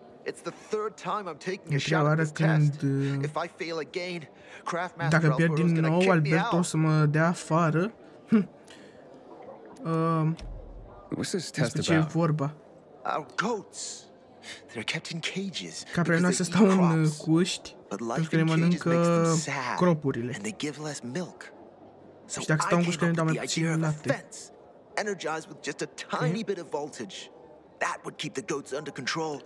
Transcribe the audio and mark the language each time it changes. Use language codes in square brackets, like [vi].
[en] It's the third time I'm taking a shot at test. If I fail again, [ro] Craftmaster dacă pierd din nou, Alberto o să mă dea afară. Despre ce e vorba? [en] Our goats. They're kept in cages. [ro] Capre noastre stau în cuști pentru că le mănâncă cropurile. [en] And they give less milk. [ro] So și dacă stau în cuști, le dau mai puțin lapte. [en] Energized with just a tiny bit of voltage. That would keep the goats under control.